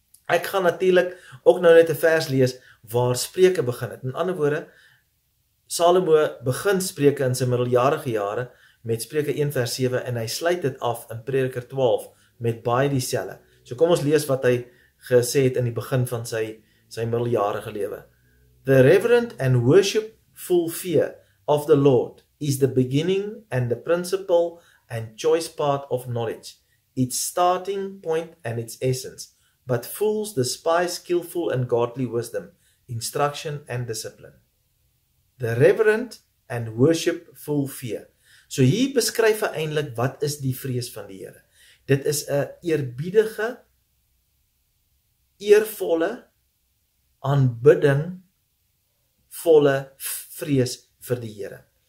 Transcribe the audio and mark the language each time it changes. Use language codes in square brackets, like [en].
[af] Ek gaan natuurlik ook nou net 'n vers lees waar Spreuke begin het. In ander woorde, Salomo begin Spreuke in sy middeljarige jare met Spreuke 1 vers 7 en hy sluit dit af in Prediker 12 met baie dieselfde. So kom ons lees wat hy gesê het in die begin van sy middeljarige lewe. [en] The reverent and worshipful fear of the Lord is the beginning and the principle and choice part of knowledge, its starting point and its essence, but fools despise skillful and godly wisdom, instruction and discipline. The reverent and worshipful fear. [af] So hier beskryf hy eindelijk wat is die vrees van die Here. Dit is een eerbiedige, eervolle, aanbidding, volle vrees vir die Here.